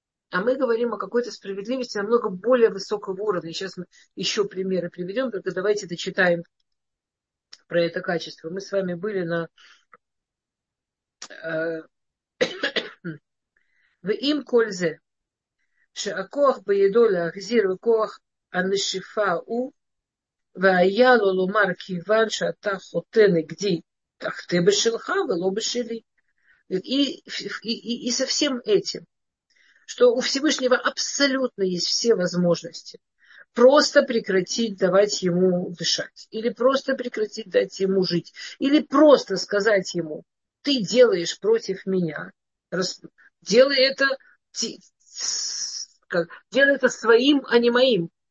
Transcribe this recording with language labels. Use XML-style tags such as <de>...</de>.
<ru>А мы говорим о какой-то справедливости намного более высокого уровня. Сейчас мы еще примеры приведем, только давайте дочитаем про это качество. Мы с вами были на в им кользе.</ru> <he>שהכוח בידו להחזיר וכוח הנשיפה הוא, והיה לו לומר כיוון שאתה חותה נגדי, תחתה בשלך ולא בשלי.</he> <ru>И со всем этим, что у Всевышнего абсолютно есть все возможности просто прекратить давать ему дышать, или просто прекратить дать ему жить, или просто сказать ему, ты делаешь против меня, делай это своим, а не моим.</ru>